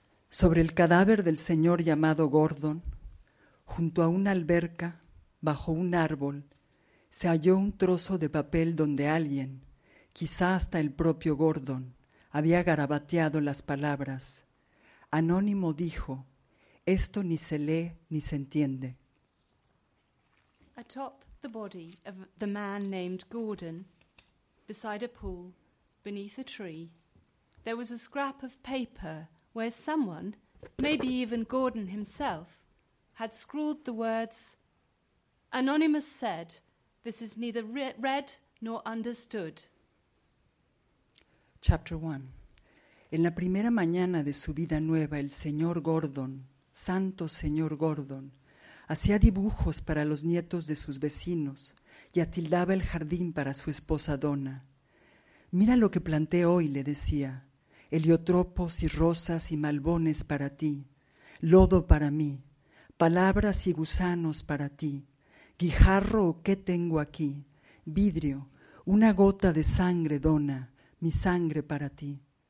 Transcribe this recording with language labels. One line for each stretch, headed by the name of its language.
Spanish: Sobre el cadáver del señor llamado Gordon, junto a una alberca, bajo un árbol, se halló un trozo de papel donde alguien, quizá hasta el propio Gordon, había garabateado las palabras. Anónimo dijo, esto ni se lee ni se entiende.
English: Atop the body of the man named Gordon, beside a pool, beneath a tree, there was a scrap of paper where someone, maybe even Gordon himself, had scrawled the words, Anonymous said, this is neither read nor understood. Chapter 1.
Spanish: En la primera mañana de su vida nueva, el señor Gordon, santo señor Gordon, hacía dibujos para los nietos de sus vecinos y atildaba el jardín para su esposa Donna. Mira lo que planté hoy, le decía, heliotropos y rosas y malbones para ti, lodo para mí, palabras y gusanos para ti, guijarro o qué tengo aquí, vidrio, una gota de sangre, Donna. Mi sangre para ti.